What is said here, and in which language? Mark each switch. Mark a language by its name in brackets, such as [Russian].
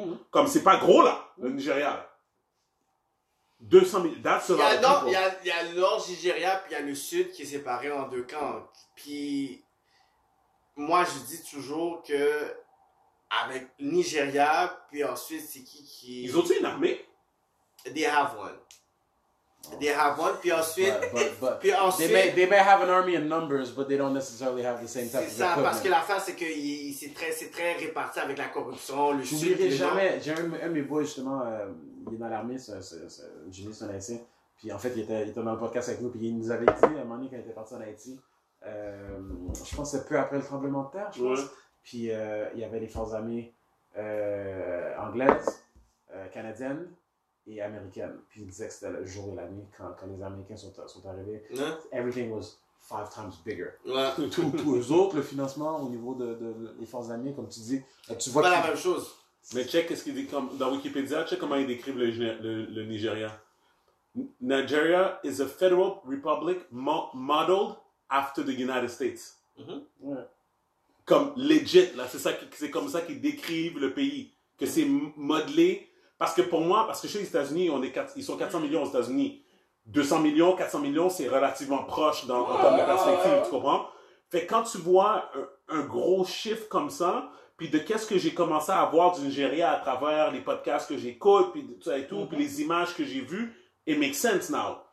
[French] comme c'est pas gros, là, le Nigeria. 200 millions, [English] that's a lot of people. [French] Il y a le nord Nigeria, puis il y a le sud qui est séparé en deux camps. Puis moi, je dis toujours que avec Nigeria, puis ensuite, c'est qui... Ils ont-ils une armée? [English] They have one. They have one, [French] puis ensuite... [English] They may have an army in numbers, but they don't necessarily have the same type of equipment. [French] C'est ça, parce que l'affaire, c'est que c'est très réparti avec la corruption, le sud... J'oublierai jamais, un de mes boys, justement, il est dans l'armée, c'est un Haïtien, puis en fait, il était dans le podcast avec nous, puis il nous avait dit, à un moment donné, quand il était parti en Haïti, je pense que c'est peu après le tremblement de terre, je pense, puis il y avait les forces armées anglaises, canadiennes, et américaine. Puis ils disaient que c'était le jour et la nuit quand les Américains sont arrivés. Ouais. [English] Everything was five times bigger. [French] Ouais. Tous les autres, le financement au niveau des forces armées, comme tu dis, tu vois... C'est pas la même chose. Mais check ce qu'il dit comme, dans Wikipédia, check comment ils décrivent le Nigeria. [English] Nigeria is a federal republic modeled after the United States. [French] Ouais. Comme legit, là, c'est comme ça qu'ils décrivent le pays. Que c'est modelé Parce que pour moi, parce que chez les États-Unis, on est 4, ils sont 400 millions aux États-Unis. 200 millions, 400 millions, c'est relativement proche dans, en termes de perspective, tu comprends? Fait quand tu vois un gros chiffre comme ça, puis de qu'est-ce que j'ai commencé à voir du Nigeria à travers les podcasts que j'écoute, puis tout ça et tout, puis les images que j'ai vues, [English] it makes sense now.